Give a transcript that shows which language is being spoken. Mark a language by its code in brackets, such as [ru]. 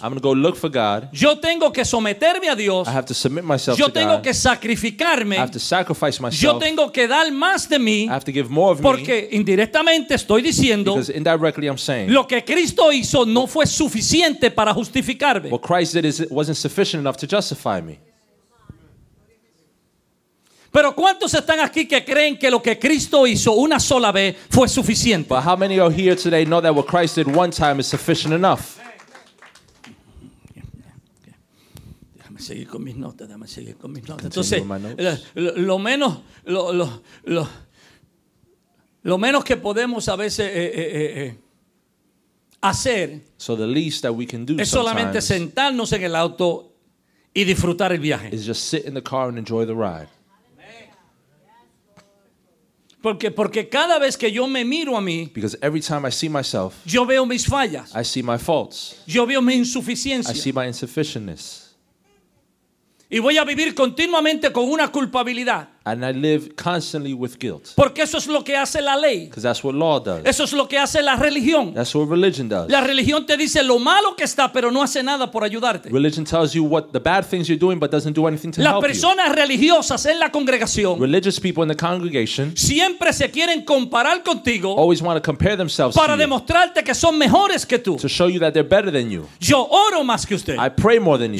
[en] I'm going to go look for God. [es] Yo tengo que someterme a Dios. [en] I have to submit myself [es] yo [en] to God. [es] Yo tengo que sacrificarme. [en] I have to sacrifice myself. [es] Yo tengo que dar más de mí. [en] I have to give more of [es] porque [en] me. [es] Porque indirectamente estoy diciendo. [en] Because indirectly I'm saying. [es] Lo que Cristo hizo no fue suficiente para justificarme. [en] What Christ did is, wasn't sufficient enough to justify me. [es] Pero ¿cuántos están aquí que creen que lo que Cristo hizo una sola vez fue suficiente? [en] But how many are here today know that what Christ did one time is sufficient enough? [es] Déjame seguir con mis notas, déjame seguir con mis notas. Entonces, lo menos que podemos a veces hacer es solamente sentarnos en el auto y disfrutar el viaje. [en] Is just sit in the car and enjoy the ride. [es] Porque cada vez que yo me miro a mí, [en] because every time I see myself, [es] yo veo mis fallas, [en] I see my faults, [es] yo veo mi insuficiencia, [en] I see my insufficientness, [es] y voy a vivir continuamente con una culpabilidad, [en] and I live constantly with guilt, [es] porque eso es lo que hace la ley, [en] because that's what law does, [es] eso es lo que hace la religión, [en] that's what religion does. [es] La religión te dice lo malo que está, pero no hace nada por ayudarte. [en] Religion tells you what the bad things you're doing, but doesn't do anything to help you. [es] Las personas religiosas en la congregación, [en] religious people in the congregation, [es] siempre se quieren comparar contigo, [en] always want to compare themselves, [es] para demostrarte que son mejores que tú, [en] to show you that they're better than you. [es] Yo oro más que usted, [en] I pray more than you.